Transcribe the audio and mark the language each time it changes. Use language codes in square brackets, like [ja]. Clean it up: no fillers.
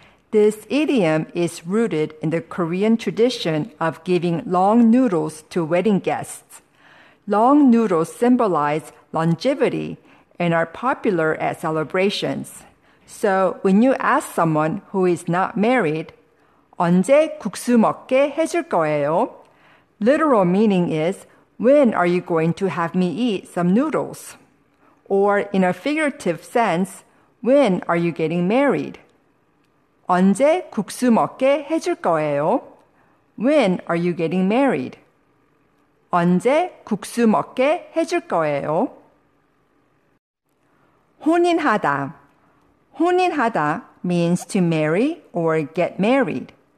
[en] This idiom is rooted in the Korean tradition of giving long noodles to wedding guests. Long noodles symbolize longevity and are popular at celebrations. So when you ask someone who is not married, [ko] 언제 국수 먹게 해줄 거예요? [en] Literal meaning is, when are you going to have me eat some noodles? Or in a figurative sense, when are you getting married? [ko] 언제 국수 먹게 해줄 거예요? [en] When are you getting married? [ko] 언제 국수 먹게 해줄 거예요? 혼인하다. 혼인하다 [en] means to marry or get married.